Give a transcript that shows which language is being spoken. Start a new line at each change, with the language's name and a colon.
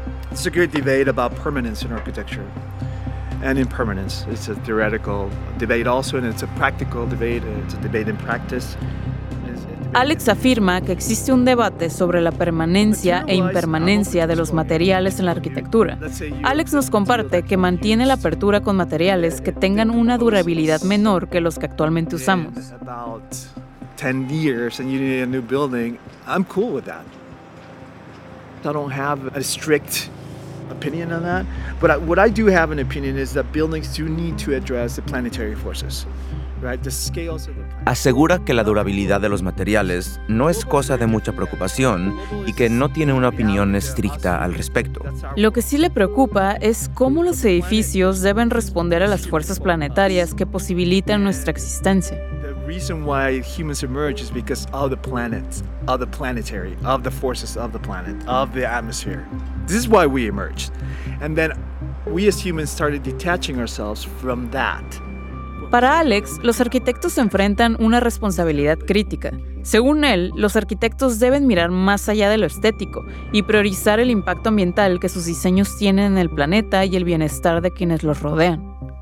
English: It's a good debate about permanence in architecture and impermanence. It's a theoretical debate also, and it's a practical debate. It's a debate in practice.
Spanish: Alex afirma que existe un debate sobre la permanencia e impermanencia de los materiales en la arquitectura. Alex nos comparte que mantiene la apertura con materiales que tengan una durabilidad menor que los que actualmente usamos.
English: About 10 years and you need a new building, I'm cool with that. I don't have a strict opinion on that, but what I do have an opinion is that buildings do need to address the planetary forces, right? The scales of the planet.
Spanish: Asegura que la durabilidad de los materiales no es cosa de mucha preocupación y que no tiene una opinión estricta al respecto. Lo que sí le preocupa es cómo los edificios deben responder a las fuerzas planetarias que posibilitan nuestra existencia.
English: The reason why humans emerge is because of the planet, of the planetary, of the forces of the planet, of the atmosphere. This is why we emerged. And then we as humans started detaching ourselves from that.
Spanish: Para Alex, los arquitectos enfrentan una responsabilidad crítica. Según él, los arquitectos deben mirar más allá de lo estético y priorizar el impacto ambiental que sus diseños tienen en el planeta y el bienestar de quienes los rodean.